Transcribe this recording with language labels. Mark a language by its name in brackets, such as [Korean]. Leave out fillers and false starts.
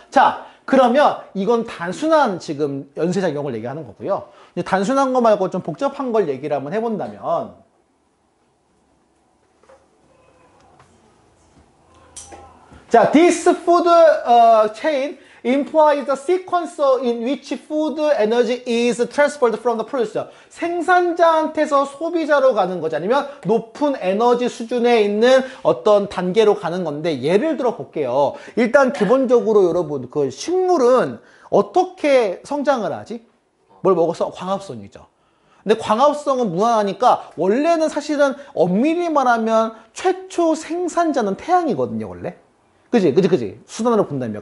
[Korean] 자, 그러면 이건 단순한 지금 연쇄작용을 얘기하는 거고요. 이제 단순한 거 말고 좀 복잡한 걸 얘기를 한번 해본다면 자, [English] this food chain implies the sequence in which food energy is transferred from the producer. [Korean] 생산자한테서 소비자로 가는 거지, 아니면 높은 에너지 수준에 있는 어떤 단계로 가는 건데, 예를 들어 볼게요. 일단 기본적으로 여러분, 그 식물은 어떻게 성장을 하지? 뭘 먹어서? 광합성이죠. 근데 광합성은 무한하니까 원래는 사실은 엄밀히 말하면 최초 생산자는 태양이거든요, 원래. 그지. 순환으로 본다면.